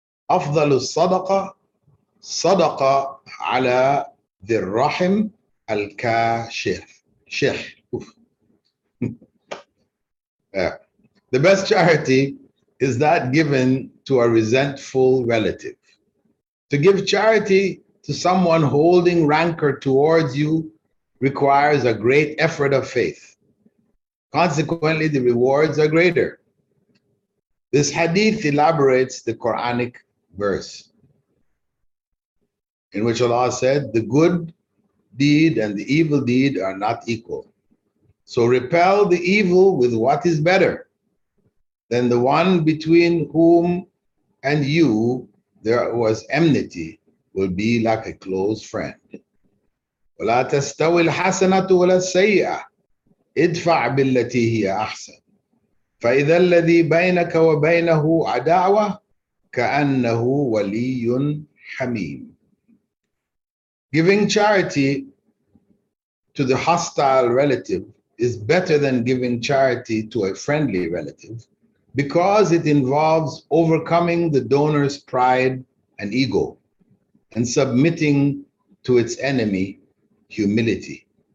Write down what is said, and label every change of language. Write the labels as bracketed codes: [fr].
[ar] أفضل الصدقة صدقة على ذي الرحم الكاشح. شح. [en] The best charity is that given to a resentful relative. To give charity to someone holding rancor towards you requires a great effort of faith. Consequently, the rewards are greater. This hadith elaborates the Quranic verse in which Allah said, the good deed and the evil deed are not equal. So repel the evil with what is better than the one between whom and you there was enmity will be like a close friend. [ar] ولا تستوي الحسنة ولا السيئة ادفع بالتي هي أحسن فإذا الذي بينك وبينه عداوة كأنه ولي حميم. [en] Giving charity to the hostile relative is better than giving charity to a friendly relative because it involves overcoming the donor's pride and ego and submitting to its enemy, humility.